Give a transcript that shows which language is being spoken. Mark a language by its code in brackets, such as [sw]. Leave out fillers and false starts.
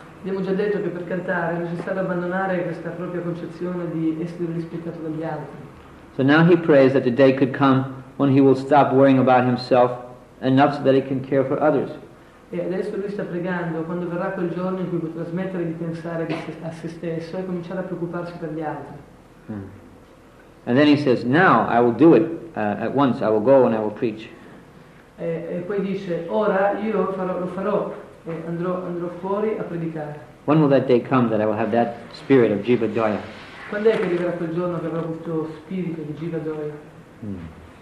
[it] Abbiamo già detto che per cantare è necessario abbandonare questa propria concezione di essere rispettato dagli altri. [en] So now he prays that the day could come when he will stop worrying about himself enough so that he can care for others. [it] E adesso lui sta pregando quando verrà quel giorno in cui potrà smettere di pensare a se stesso e cominciare a preoccuparsi per gli altri. [en] And then he says, now I will do it at once, I will go and I will preach. [it] E poi dice, ora io lo farò e andrò fuori a predicare. [en] When will that day come that I will have that spirit of Jivadaya? [it] Quando è che arriverà quel giorno che avrò questo spirito di Jivadaya?